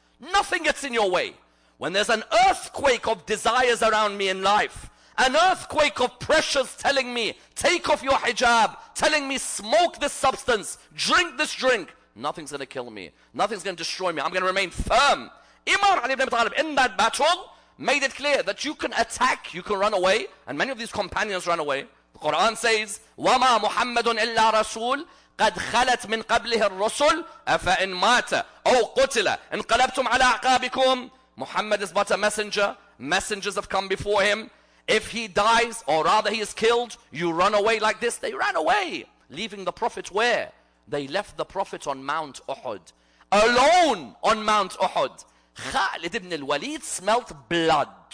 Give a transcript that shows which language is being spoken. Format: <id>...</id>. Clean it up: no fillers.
<en>Nothing gets in your way. When there's an earthquake of desires around me in life, an earthquake of pressures telling me, take off your hijab, telling me, smoke this substance, drink this drink, nothing's going to kill me. Nothing's going to destroy me. I'm going to remain firm. Imam Ali ibn Abi Talib, in that battle, made it clear that you can attack, you can run away. And many of these companions run away. The Quran says,</en> <ar>وَمَا مُحَمَّدٌ إِلَّا رَسُولٌ قَدْ خَلَتْ مِنْ قَبْلِهِ الرَّسُلُ أَفَإِنْ مَاتَ أَوْ قُتِلَ انْقَلَبْتُمْ عَلَىٰ أَعْقَابِكُمْ.</ar> <en>Muhammad is but a messenger. Messengers have come before him. If he dies, or rather he is killed, you run away like this. They ran away, leaving the Prophet where? They left the Prophet on Mount Uhud. Alone on Mount Uhud. Khalid ibn al-Walid smelt blood.</en>